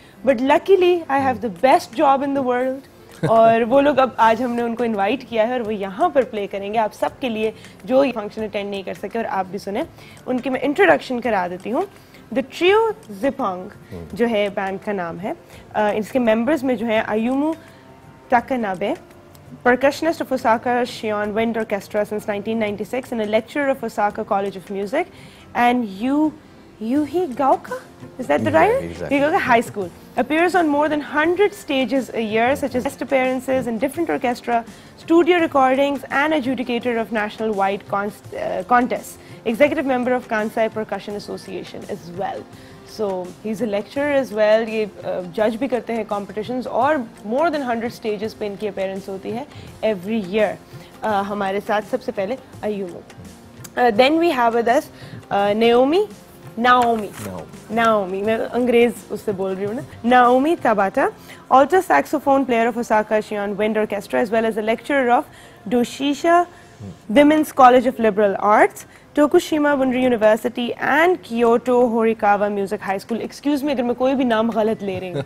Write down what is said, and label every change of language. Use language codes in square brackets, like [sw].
[en] but luckily I have the best job in the world [hi] और वो लोग अब आज हमने उनको इन्वाइट किया है और वो यहाँ पर प्ले करेंगे आप सबके लिए जो ये फंक्शन अटेंड नहीं कर सके. और आप भी सुने, उनकी मैं इंट्रोडक्शन करा देती हूँ. द ट्रियो जिपांग जो है बैंड का नाम है. इसके मेंबर्स में जो है [en] Ayumu Takanabe, percussionist of Osaka Shion Wind Orchestra since 1996 and a lecturer of Osaka College of Music, and Yuhi Gaoka, is that the right? Yuhi Gaoka High School. Appears on more than 100 stages a year, such as guest appearances in different orchestra, studio recordings, and adjudicator of national wide contests. Executive member of Kansai Percussion Association as well. So he's a lecturer as well. [hi] ये judge भी करते हैं competitions और [en] more than 100 stages [hi] पे इनकी appearance होती है [en] every year. [hi] हमारे साथ सबसे पहले Ayumu. [en] Then we have with us Naomi. [hi] मैं अंग्रेज उससे बोल रही हूँ ना. [en] Naomi Tabata, alto saxophone player of Osaka Shion Wind Orchestra as well as a lecturer of Doshisha Women's College of Liberal Arts, Tokushima Bunri University and Kyoto Horikawa Music High School. Excuse me [hi] agar main koi bhi naam galat le rahi